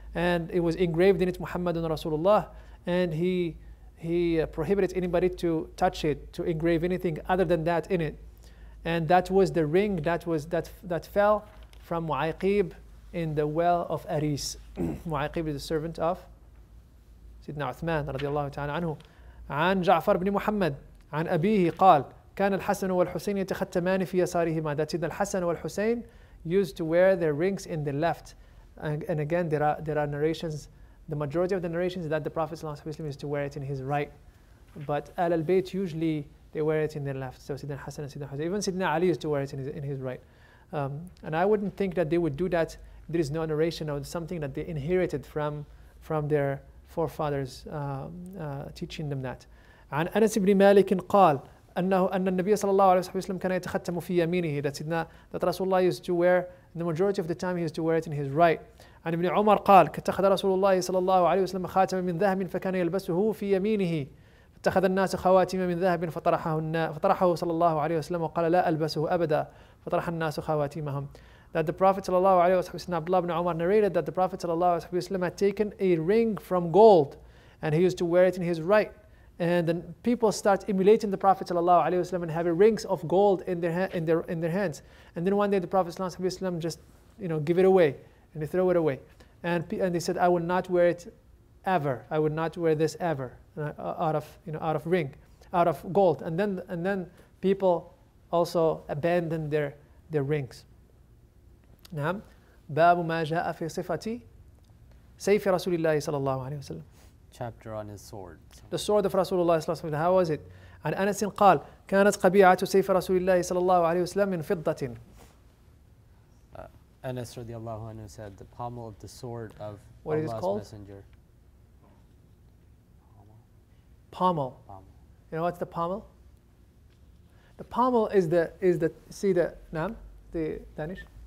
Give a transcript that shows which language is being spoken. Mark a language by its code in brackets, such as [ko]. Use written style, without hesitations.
[en] and it was engraved in it Muhammadun Rasulullah, and he prohibited anybody to touch it, to engrave anything other than that in it. And that was the ring that was that fell from Mu'aqib in the well of Aris. Mu'aqib is the servant of Sidna Uthman radiallahu ta'ala anhu. [ar] عن جعفر بن محمد عن أبيه قال كان الحسن والحسين يتختمان في يسارهما. [en] That Sidna Hassan and Hussein used to wear their rings in the left. And again, there are narrations. The majority of the narrations is that the Prophet ﷺ used to wear it in his right, but Al Bayt usually they wear it in their left. So Sidna Hassan and Sidna Hussein. Even Sidna Ali used to wear it in his right. And I wouldn't think that they would do that. There is no narration or something that they inherited from their forefathers teaching them that. [ar] عن أنس بن مالك قال أنه أن النبي صلى الله عليه وسلم كان يتختم في يمينه. [en] That رسول الله used to wear, the majority of the time he used to wear it in his right. [ar] عن ابن عمر قال اتخذ رسول الله صلى الله عليه وسلم خاتم من ذهب فكان يلبسه في يمينه. اتخذ الناس خواتم من ذهب فطرحه صلى الله عليه وسلم وقال لا ألبسه أبدا. فطرح الناس خواتمهم. [en] That the Prophet sallallahu alaihi wasallam, Abdullah ibn Umar narrated that the Prophet sallallahu alaihi wasallam had taken a ring from gold, and he used to wear it in his right. And then people start emulating the Prophet sallallahu alaihi wasallam and having rings of gold in their hands. And then one day the Prophet sallallahu alaihi wasallam just, you know, give it away, and they throw it away. And they said, I will not wear it ever. I will not wear this ever out of gold. And then people also abandoned their rings. [ar] نعم باب ما جاء في صفة سيف رسول الله صلى الله عليه وسلم. [en] Chapter on his sword. The sword of Rasulullah صلى الله عليه وسلم. How was it? عن أنس قال كانت قبيعة سيف رسول الله صلى الله عليه وسلم من فضة. Anas رضي الله عنه said the pommel of the sword of what Allah's is called? Messenger. Pommel. You know what's the pommel? The pommel نعم the Danish.